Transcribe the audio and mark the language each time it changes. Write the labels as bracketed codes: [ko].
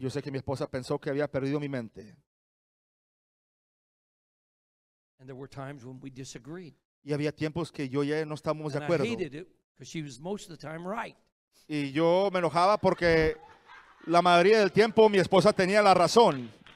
[es] Yo sé que mi esposa pensó que había perdido mi mente. [en] And there were times when we disagreed. [es] Y había tiempos que yo y ella no estábamos de acuerdo. [en] And I hated it because she was most of the time right. [es] Y yo me enojaba porque la mayoría del tiempo mi esposa tenía la razón.